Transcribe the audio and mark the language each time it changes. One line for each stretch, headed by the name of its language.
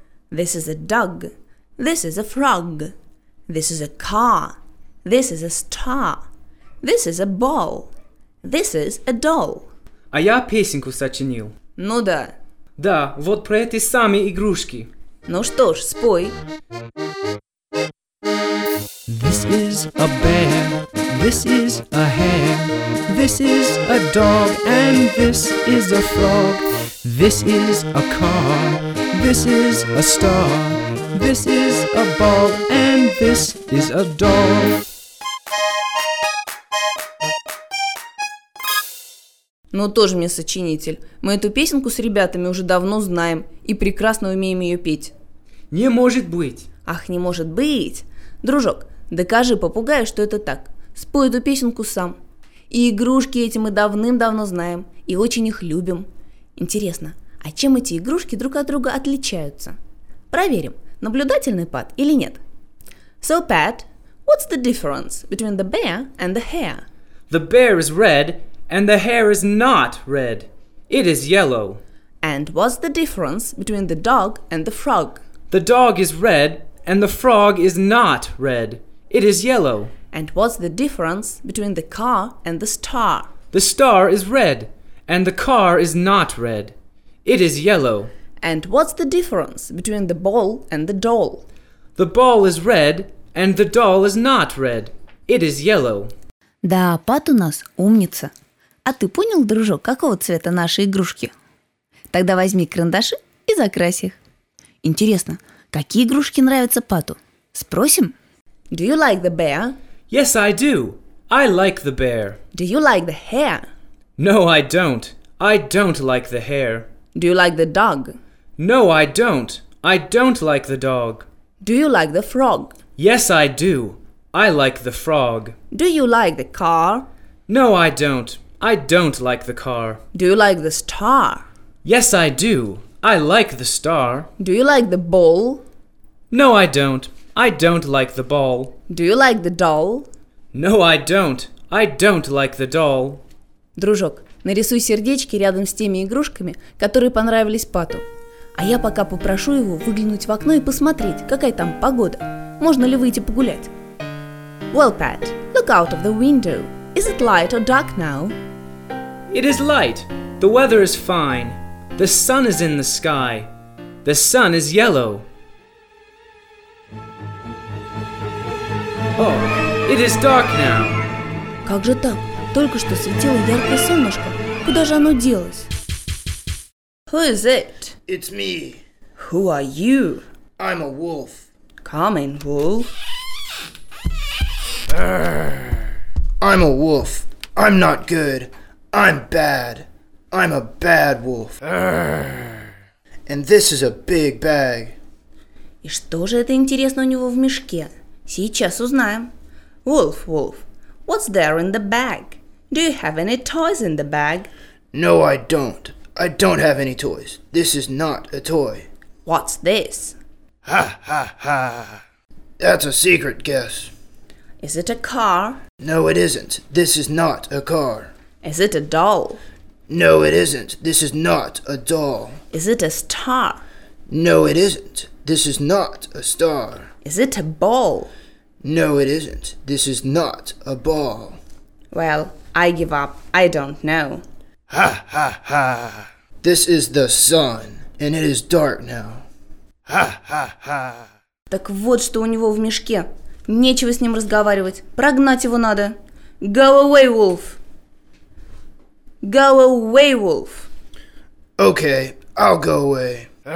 English: This is a dog. This is a frog. This is a car. This is a star. This is a ball. This is a doll.
Russian: А я песенку сочинил. Ну да. Да, вот про эти самые игрушки. Ну что ж, спой.
English: This is a bear, this is a hare, this is a dog, and this is a frog. This is a car, this is a star, this is a ball, and this is a doll.
Russian: Ну тоже мне сочинитель. Мы эту песенку с ребятами уже давно знаем и прекрасно умеем ее петь. Не может быть. Ах, не может быть. Дружок, докажи попугаю, что это так. Спой эту песенку сам. И игрушки эти мы давным-давно знаем и очень их любим. Интересно, а чем эти игрушки друг от друга отличаются? Проверим, наблюдательный Пат или нет.
English: So, Pat, what's the difference between the bear and the hare? The bear is red and the hare is not red. It is yellow. And what's the difference between the dog and the frog? The dog is red and the frog is not red. It is yellow. And what's the difference between the car and the star? The star is red, and the car is not red. It is yellow. And what's the difference between the ball and the doll? The ball is red and the doll is not red. It is yellow.
Russian: Да, Пат у нас умница. А ты понял, дружок, какого цвета наши игрушки? Тогда возьми карандаши и закрась их. Интересно, какие игрушки нравятся Пату? Спросим?
English: Do you like the bear? Yes, I do. I like the bear. Do you like the hare? No, I don't. I don't like the hare. Do you like the dog? No, I don't. I don't like the dog. Do you like the frog? Yes, I do. I like the frog. Do you like the car? No, I don't. I don't like the car. Do you like the star? Yes, I do. I like the star. Do you like the ball? No, I don't. I don't like the ball. Do you like the doll? No, I don't. I don't like the doll.
Russian: Дружок, нарисуй сердечки рядом с теми игрушками, которые понравились Пату. А я пока попрошу его выглянуть в окно и посмотреть, какая там погода. Можно ли выйти погулять?
English: Well, Pat, look out of the window. Is it light or dark now? It is light. The weather is fine. The sun is in the sky. The sun is yellow. Oh, it is dark now.
Russian: Как же так? Только что светило яркое солнышко. Куда же оно делось?
English: Who is it? It's me. Who are you? I'm a wolf. Come in, wolf. I'm a wolf. I'm not good. I'm bad. I'm a bad wolf. And this is a big bag.
Russian: И что же это интересно у него в мешке? Сейчас узнаем.
English: Wolf, wolf, what's there in the bag? Do you have any toys in the bag? No, I don't. I don't have any toys. This is not a toy. What's this? Ha, ha, ha. That's a secret guess. Is it a car? No, it isn't. This is not a car. Is it a doll? No, it isn't. This is not a doll. Is it a star? No, it isn't. This is not a star. Is it a ball? No, it isn't. This is not a ball. Well, I give up. I don't know. Ha, ha, ha. This is the sun, and it is dark now. Ha, ha, ha.
Russian: Так вот что у него в мешке. Нечего с ним разговаривать. Прогнать его надо.
English: Go away, wolf. Go away, wolf. Okay, I'll go away.